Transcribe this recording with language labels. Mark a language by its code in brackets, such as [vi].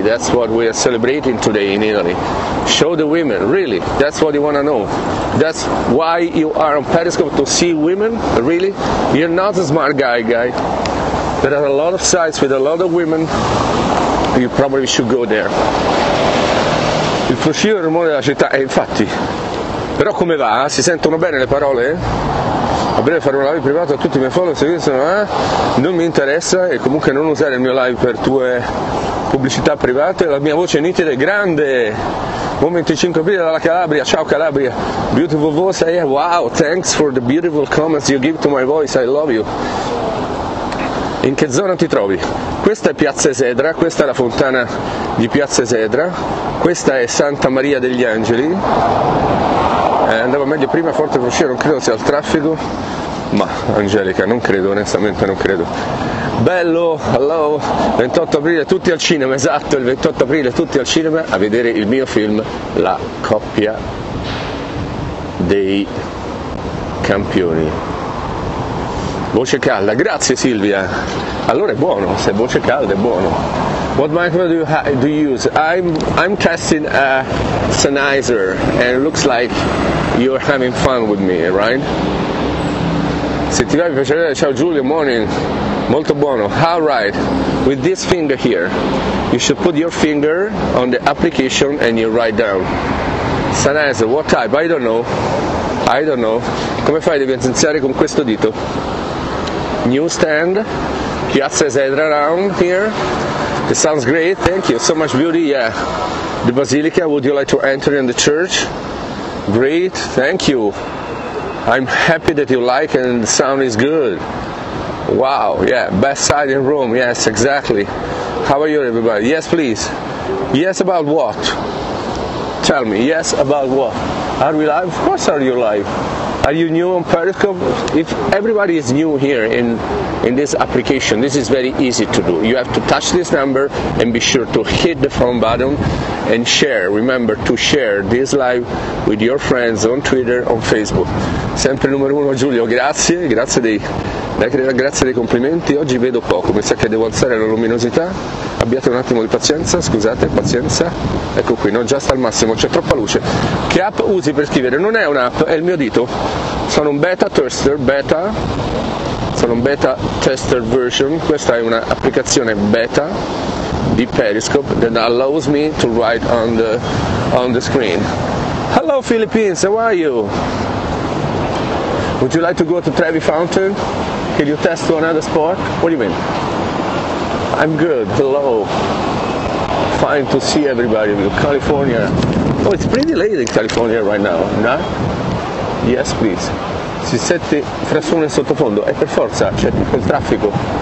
[en] That's what we are celebrating today in Italy. Show the women, really. That's what you want to know. That's why you are on Periscope, to see women, really. You're not a smart guy. There are a lot of sites with a lot of women, you probably should go there. [it] Il fruscio è il rumore della città, e infatti. Però come va? Si sentono bene le parole? A breve farò una live privata a tutti i miei follower, se pensano, eh? Non mi interessa e comunque non usare il mio live per tue pubblicità private. La mia voce è nitida e grande. Buon 25 aprile dalla Calabria, ciao Calabria. [en] Beautiful voice, yeah. Wow, thanks for the beautiful comments you give to my voice, I love you. [it] In che zona ti trovi? Questa è Piazza Esedra, questa è la fontana di Piazza Esedra, questa è Santa Maria degli Angeli, andava meglio prima, forte fuscio, non credo sia il traffico, ma Angelica, non credo, onestamente non credo. Bello, hello, 28 aprile tutti al cinema, esatto, il 28 aprile tutti al cinema a vedere il mio film La Coppia dei Campioni. Voce calda, grazie Silvia. Allora è buono, se voce calda è buono. [en] What microphone do you use? I'm testing a Sennheiser and it looks like you're having fun with me, right? [it] Se ti va mi piace vedere, ciao Giulio, morning. Molto buono. [en] All right, with this finger here, you should put your finger on the application and you write down. [it] Sennheiser, [en] what type? I don't know. [it] Come fai a evidenziare con questo dito? [en] Newsstand, Piazza Esedra around here. It sounds great, thank you. So much beauty, yeah. The Basilica, would you like to enter in the church? Great, thank you. I'm happy that you like and the sound is good. Wow, yeah, best side in Rome, yes, exactly. How are you, everybody? Yes, please. Yes, about what? Tell me, yes, about what? Are we live? Of course, are you live? Are you new on Periscope? If everybody is new here in this application, this is very easy to do. You have to touch this number and be sure to hit the phone button and share. Remember to share this live with your friends on Twitter, on Facebook. [it] Sempre numero uno Giulio, grazie, grazie dei complimenti. Oggi vedo poco, mi sa che devo alzare la luminosità. Abbiate un attimo di pazienza, scusate, pazienza. Ecco qui, non già sta al massimo, c'è troppa luce. Che app usi per scrivere? Non è un'app, è il mio dito. Sono un beta tester, version. Questa è un'applicazione beta di Periscope [en] that allows me to write on the screen. Hello Philippines, how are you? Would you like to go to Trevi Fountain? Can you test to another sport? What do you mean? I'm good, hello. Fine to see everybody. California. Oh, it's pretty late in California right now, no? Yes, please. [it] Si sente frastuono in sottofondo, è per forza, c'è tutto il traffico.